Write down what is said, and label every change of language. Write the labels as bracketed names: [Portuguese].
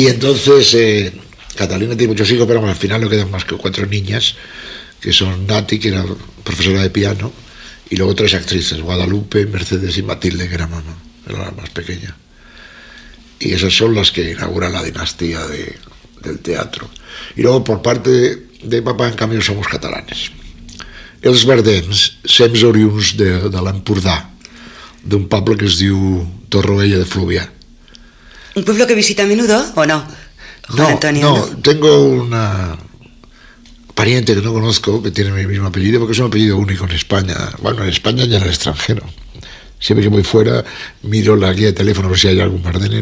[Spanish] Y entonces, Catalina tiene muchos hijos, pero bueno, al final no quedan más que cuatro niñas, que son Nati, que era profesora de piano, y luego tres actrices, Guadalupe, Mercedes y Matilde, que era mamá, era la más pequeña. Y esas son las que inauguran la dinastía del teatro. Y luego, por parte de papá, en cambio, somos catalanes. [Catalan] Els Verdens, sems oriuns de l'Empordà, d'un poble que es diu Torroella de Fluvià. [Spanish] ¿Un pueblo que visita a menudo o no, Juan Antonio? No, tengo una pariente que no conozco, que tiene mi mismo apellido, porque es un apellido único en España, bueno, en España y en el extranjero. Siempre que voy fuera, miro la guía de teléfono a ver si hay algún Verdene.